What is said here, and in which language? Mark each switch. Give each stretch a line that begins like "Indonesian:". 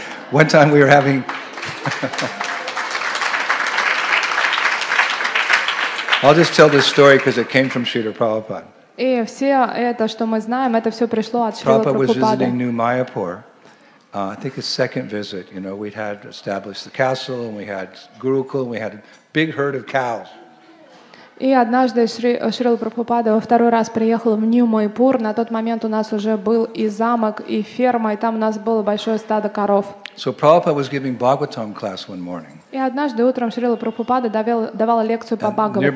English: One time we were having I'll just tell this story because it came from Srila Prabhupada.
Russian: И все это, что мы знаем, это все пришло от Шрилы
English: Прабхупады. Prabhupada was visiting New Mayapur. I think his second visit, you know, we had established the castle and we had Gurukul and we had a big herd of cows.
Russian: И однажды Шрила Прабхупада во второй раз приехал в Нью-Майпур. На тот момент у нас уже был и замок, и ферма, и там у нас было большое стадо коров.
English: So Prabhupada was giving Bhagavatam class one morning.
Russian: И однажды утром Шрила Прабхупада давала лекцию по Бхагаватам.